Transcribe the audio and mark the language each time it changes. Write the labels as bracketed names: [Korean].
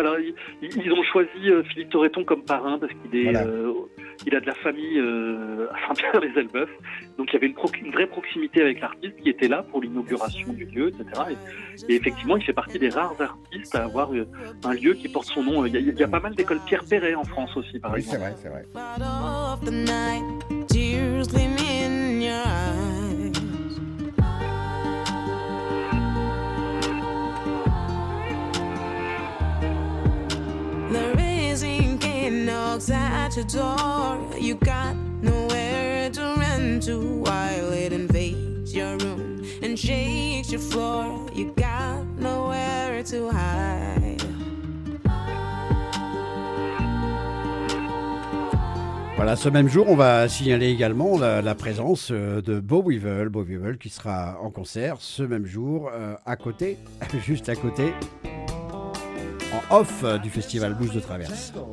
[French] Alors, ils ont choisi Philippe Torreton comme parrain parce qu'il est, il a de la famille à Saint-Pierre-les-Elbeufs. Donc il y avait une vraie proximité avec l'artiste qui était là pour l'inauguration du lieu, etc. Et effectivement, il fait partie des rares artistes à avoir un lieu qui porte son nom. Il y a pas mal d'écoles Pierre Perret en France aussi, par exemple. Oui, c'est vrai. [English] Part of the night, tears gleam in your eyes. There is ink and knocks at your door. You got nowhere to run to while it invades your room. And shakes your floor, you got nowhere to hide. [French] Voilà, ce même jour, on va signaler également la présence de Beau Weevil qui sera en concert ce même jour, juste à côté, en off du festival Blues de Traverse.